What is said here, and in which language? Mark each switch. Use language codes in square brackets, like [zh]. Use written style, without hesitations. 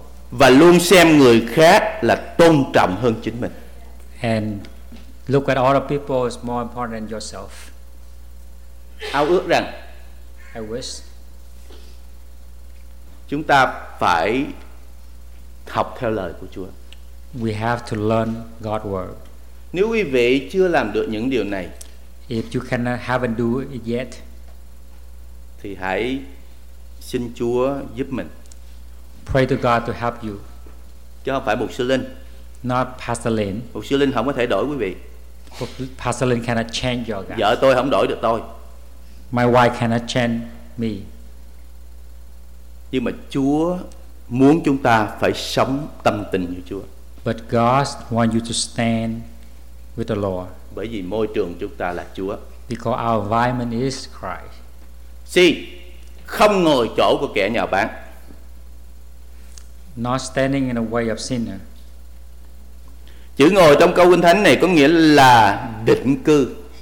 [vi] Và luôn xem người khác là tôn trọng hơn chính mình. [en] And look at other people is more important than yourself. [vi] Ao ước rằng [en] I wish [vi] chúng ta phải học theo lời của Chúa. [en] We have to learn God's word. [vi] Nếu quý vị chưa làm được những điều này, [en] if you cannot haven't do it yet, [vi] thì hãy xin Chúa giúp mình. [en] Pray to God to help you. [vi] Chứ không phải Mục Sư Linh. [en] Not Pastor Linh. [vi] Mục Sư Linh không có thể đổi quý vị. [en] But Pastor Linh cannot change your God. [vi] Vợ tôi không đổi được tôi. [en] My wife cannot change me. [vi] Nhưng mà Chúa muốn chúng ta phải sống tâm tình như Chúa. [en] But God wants you to stand with the Lord. [vi] Bởi vì môi trường chúng ta là Chúa. [en] Because our environment is Christ. [vi] C, không ngồi chỗ của kẻ nhà bán. [en] Not standing in the way of sinner. [vi] Chữ ngồi trong câu Kinh Thánh này có nghĩa là định cư.